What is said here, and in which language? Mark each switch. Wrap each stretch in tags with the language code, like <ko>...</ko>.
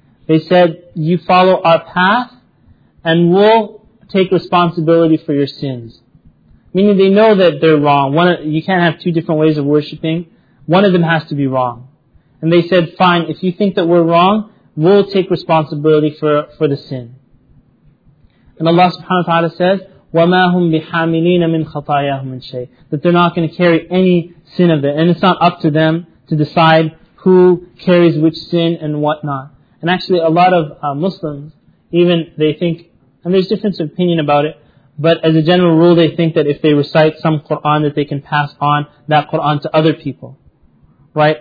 <en>They said, you follow our path and we'll take responsibility for your sins. Meaning they know that they're wrong. You can't have two different ways of worshipping. One of them has to be wrong. And they said, fine, if you think that we're wrong, we'll take responsibility for the sin. And Allah subhanahu wa ta'ala says,</en> <ar>وَمَا هُمْ بِحَامِلِينَ مِنْ خَطَايَاهُمْ مِنْ شَيْءٍ.</ar> <en>That they're not going to carry any sin of it. And it's not up to them to decide who carries which sin and what not. And actually a lot of Muslims, even they think, and there's difference of opinion about it, but as a general rule they think that if they recite some Qur'an that they can pass on that Qur'an to other people. Right?</en>